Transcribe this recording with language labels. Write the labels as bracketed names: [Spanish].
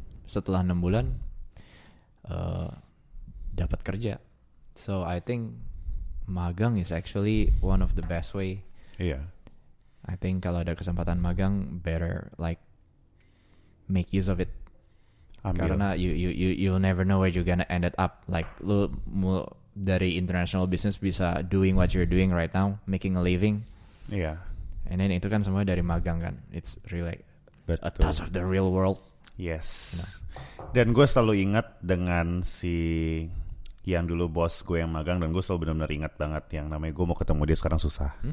[Indonesian] Setelah 6 bulan dapat kerja. [English] So I think magang is actually one of the best way. Yeah. I think [Indonesian] kalau ada kesempatan magang, [English] better like make use of it. [Indonesian] Ambil. [English] Karena you'll never know where you're gonna end it up. Like [Indonesian] lu dari [English] international business bisa doing what you're doing right now, making a living. Yeah. And then [Indonesian] itu kan semua dari magang kan. [English] It's really a touch of the real world. Yes. Nah. [Indonesian] Dan gue selalu ingat dengan si yang dulu bos gue yang magang, dan gue selalu benar-benar ingat banget yang namanya gue mau ketemu dia sekarang susah.